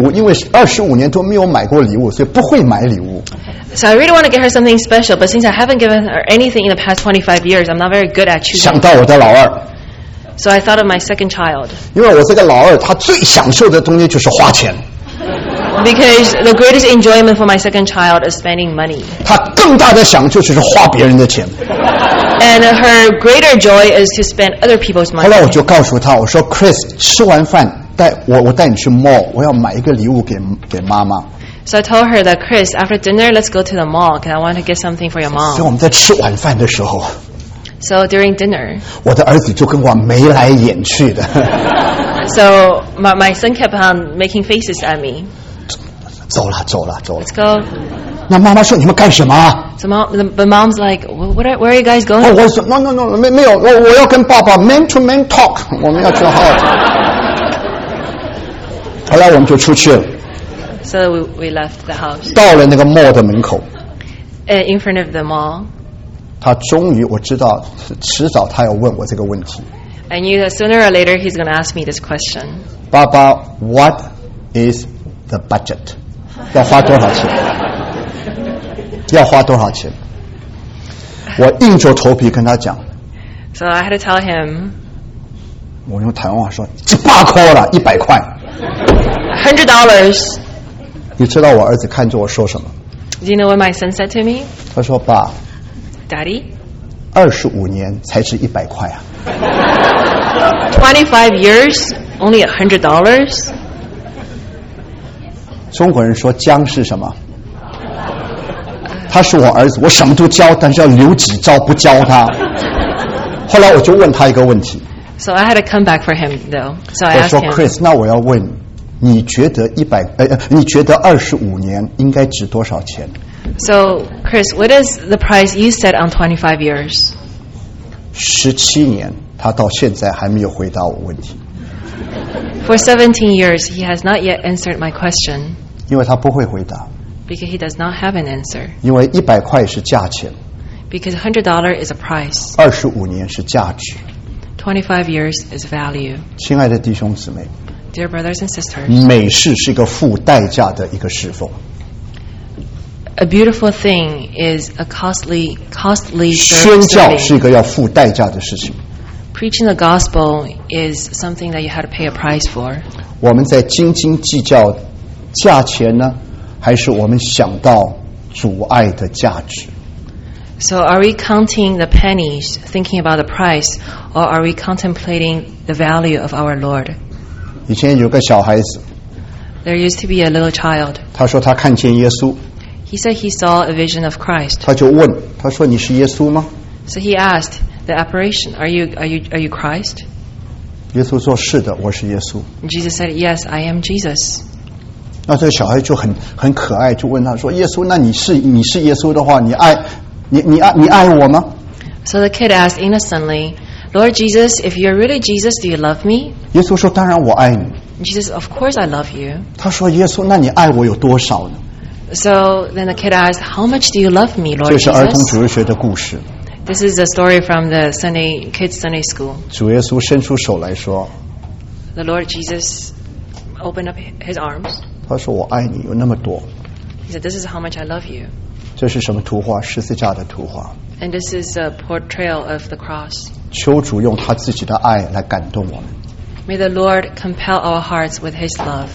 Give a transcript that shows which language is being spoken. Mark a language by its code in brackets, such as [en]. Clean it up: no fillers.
[zh] 所以我就决定要买一个礼物，因为25年都没有买过礼物，所以不会买礼物。 [en] So I really want to get her something special, but since I haven't given her anything in the past 25 years, I'm not very good at choosing. [zh] 想到我的老二。 [en] So I thought of my second child. [zh] 因为我这个老二，他最享受的东西就是花钱。 [en] Because the greatest enjoyment for my second child is spending money. [zh] 他更大的享受就是花别人的钱。 [en] And her greater joy is to spend other people's money. [zh] 后来我就告诉他，我说 Chris， 吃完饭，我带你去 mall， 我要买一个礼物给妈妈。 [en] So I told her that, Chris, after dinner, let's go to the mall because I want to get something for your mom. [zh] 所以我们在吃晚饭的时候, [en] so during dinner, [zh] 我的儿子就跟我眉来眼去的。 [en] So my son kept on making faces at me. [zh] 走了。 [en] Let's go. [zh] 那妈妈说你们干什么？ [en] So mom, the mom's like, where are you guys going? [zh] 我说 no, 没有，我要跟爸爸 [en] man to man talk， [zh] 我们要去好好讲。后来我们就出去了。 [en] So we left the house. [zh] 到了那个 mall 的门口。 [en] In front of the mall. [zh] 他终于我知道，迟早他要问我这个问题。 [en] I knew that sooner or later he's going to ask me this question. 爸爸 ，what is the budget？ [zh] 要花多少钱？要花多少钱？我硬着头皮跟他讲。 [en] So I had to tell him. [zh] 我用台湾话说，这八块了，100块。 [en] $100。 [zh] 你知道我儿子看着我说什么 [en] ？Do you know what my son said to me？ [zh] 他说：“爸 [en] ，Daddy， [zh] 25年才值100块啊。 [en] 25 years only $100。” [zh] 中国人说姜是什么？他是我儿子，我什么都教，但是要留几招不教他。后来我就问他一个问题。 [en] So I had to come back for him though. So I asked him. [zh] 我说 Chris， 那我要问。你觉得25年应该值多少钱 [en] ？So Chris, what is the price you set on 25 years? [zh] 17年，他到现在还没有回答我问题。 [en] For 17 years, he has not yet answered my question. [zh] 因为他不会回答。 [en] Because he does not have an answer. [zh] 因为100块是价钱。 [en] Because $100 is a price. [zh] 25年是价值。 [en] 25 years is value. [zh] 亲爱的弟兄姊妹。 [en] Dear brothers and sisters, [zh] 美事是一个付代价的一个侍奉。 [en] A beautiful thing is a costly. [zh] 宣教是一个要付代价的事情。 [en] Preaching the gospel is something that you had to pay a price for. [zh] 我们在斤斤计较价钱呢，还是我们想到主爱的价值？ [en] So are we counting the pennies, thinking about the price, or are we contemplating the value of our Lord? [zh] 以前有个小孩子 [en] There used to be a little child. [zh] 他说他看见耶稣 [en] He said he saw a vision of Christ. [zh] 他就问他说你是耶稣吗 [en] So he asked the apparition, are you Christ? [zh] 耶稣说是的我是耶稣 [en] Jesus said yes I am Jesus. [zh] 那这个小孩就很可爱就问他说耶稣那你是耶稣的话你爱我吗 [en] So the kid asked innocently,Lord Jesus, if you're really Jesus, do you love me? [zh] 耶稣说当然我爱你。 [en] Jesus, of course I love you. [zh] 他说耶稣那你爱我有多少呢 [en] So then the kid asked, how much do you love me, Lord Jesus? [zh] 这是儿童主日学的故事。 [en] This is a story from the kids Sunday school. [zh] 主耶稣伸出手来说。 [en] The Lord Jesus opened up his arms. [zh] 他说我爱你有那么多。 [en] He said, this is how much I love you. [zh] 这是什么图画十字架的图画。 [en] And this is a portrayal of the cross. [zh] 求主用他自己的爱来感动我们。 [en] May the Lord compel our hearts with His love.